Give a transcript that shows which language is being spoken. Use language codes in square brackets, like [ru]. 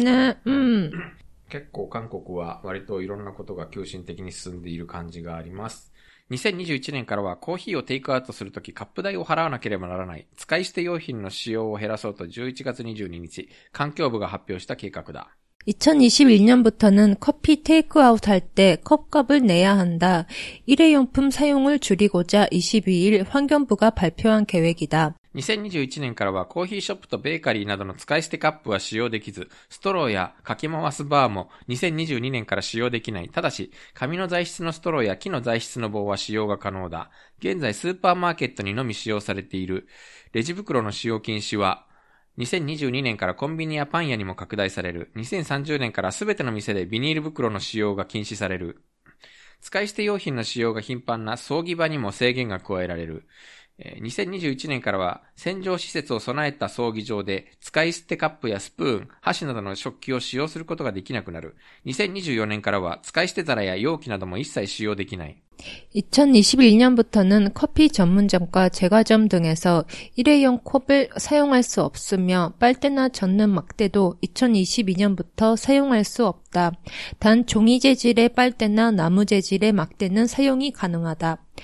[ja] ですね、うん。結構韓国は割といろんなことが急進的に進んでいる感じがあります。 2021年からはコーヒーをテイクアウトするときカップ代を払わなければならない。使い捨て用品の使用を減らそうと11月22日、環境部が発表した計画だ。 [ko] 2021년부터는 커피 테이크아웃 할 때 컵값을 내야 한다. 일회용품 사용을 줄이고자 22일 환경부가 발표한 계획이다. [ja] 2021년 からはコーヒーショップとベーカリーなどの使い捨てカップは使用できず、ストローやかき回すバーも2022年から使用できない。ただし、紙の材質のストローや木の材質の棒は使用が可能だ。現在スーパーマーケットにのみ使用されているレジ袋の使用禁止は、2022年からコンビニやパン屋にも拡大される。 2030年からすべての店でビニール袋の使用が禁止される。使い捨て用品の使用が頻繁な葬儀場にも制限が加えられる。 2021年からは洗浄施設を備えた葬儀場で使い捨てカップやスプーン、箸などの食器を使用することができなくなる。 2024年からは使い捨て皿や容器なども一切使用できない。 [ko] 2021년부터는 커피 전문점과 제과점 등에서 일회용 컵을 사용할 수 없으며 빨대나 젓는 막대도 2022년부터 사용할 수 없다. 단 종이 재질의 빨대나 나무 재질의 막대는 사용이 가능하다.